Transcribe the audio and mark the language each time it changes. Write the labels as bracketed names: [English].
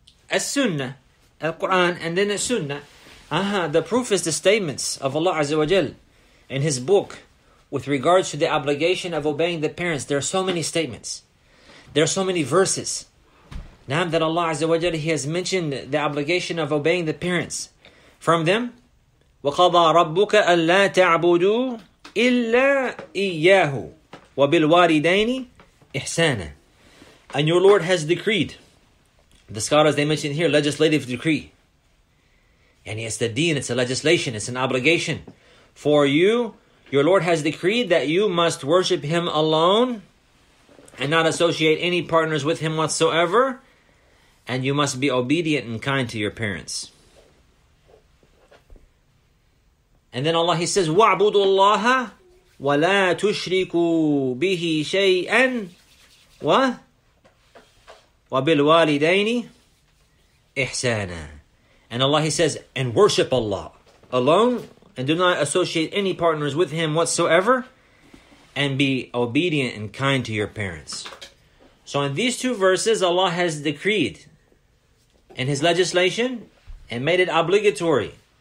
[English] As-Sunnah. Al-Quran and then As-Sunnah. The proof is the statements of Allah Azza wa Jal in His book with regards to the obligation of obeying the parents. There are so many statements. There are so many verses. Now that Allah Azza wa Jal, He has mentioned the obligation of obeying the parents. From them, [Arabic] وَقَضَى رَبُّكَ أَلَّا تَعْبُدُوا إِلَّا إِيَّاهُ وَبِالْوَالِدَيْنِ إِحْسَانًا. [English] And your Lord has decreed, the scholars, they mentioned here, legislative decree. And it's the deen, it's a legislation, it's an obligation. For you, your Lord has decreed that you must worship Him alone and not associate any partners with Him whatsoever. And you must be obedient and kind to your parents. And then Allah, He says, [Arabic] وَعْبُدُوا اللَّهَ وَلَا تُشْرِكُوا بِهِ شَيْئًا وَبِالْوَالِدَيْنِ إِحْسَانًا. [English] And Allah, He says, and worship Allah alone, and do not associate any partners with Him whatsoever, and be obedient and kind to your parents. So in these two verses, Allah has decreed in His legislation and made it obligatory.